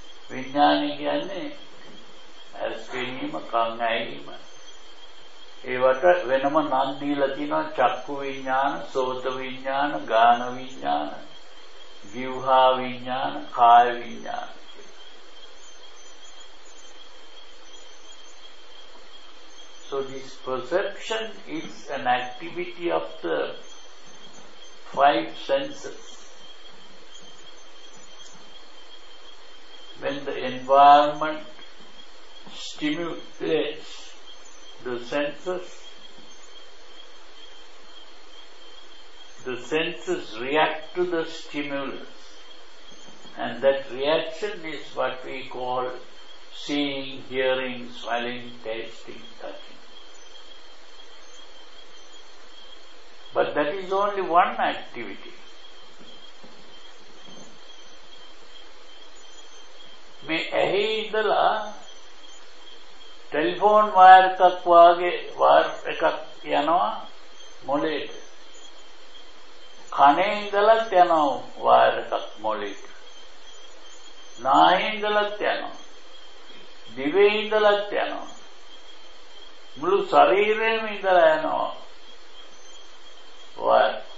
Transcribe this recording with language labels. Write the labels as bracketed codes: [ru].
[si] විඥානය කියන්නේ ඇස් පෙනීම, කන් ඇහිම. ඒවට වෙනම නම් දීලා තියෙනවා. චක්කු විඥාන, සෝත විඥාන, ගාන විඥාන, ව්‍යුහා විඥාන, කාය විඥාන. [en] So this perception is an activity of the five senses. When the environment stimulates the senses, the senses react to the stimulus, and that reaction is what we call seeing, hearing, smelling, tasting, touching. But that is only one activity. [si] මේ ඇහි ඉඳලා telephone wire එකක් වාගේ wire එකක් යනවා මොළේට, කනේ ඉඳලත් යනවා wire එකක් මොළේට, නාහේ ඉඳලත් යනවා, දිවේ ඉඳලත් යනවා, මුළු ශරීරයෙන් ඉඳලා යනවා වයර්.